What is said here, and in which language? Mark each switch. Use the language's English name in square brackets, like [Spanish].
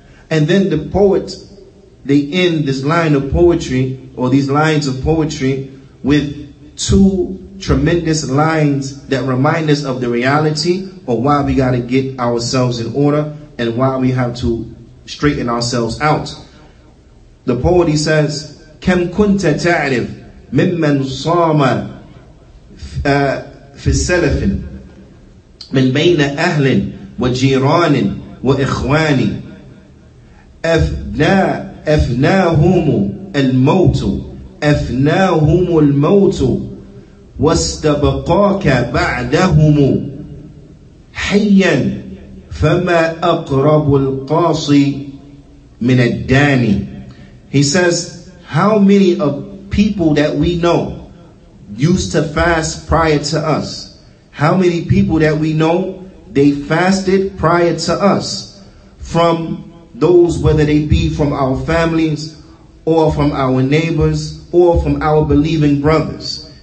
[English] And then the poet, they end this line of poetry, or these lines of poetry, with two tremendous lines that remind us of the reality of why we got to get ourselves in order and why we have to straighten ourselves out. The poet, he says, [Arabic] كَمْ كُنْتَ تَعْرِفْ مِمَّنْ صَامَ فِي السَّلَفٍ مِنْ بَيْنَ أَهْلٍ وَجِيرَانٍ وَإِخْوَانٍ أَفْنَاهُمُ الْمَوْتُ أفناهم الموت واستبقاك بعدهم حيا فما أقرب القاصي من الداني. [English] He says, how many of people that we know used to fast prior to us? How many people that we know they fasted prior to us from those, whether they be from our families or from our neighbors or from our believing brothers.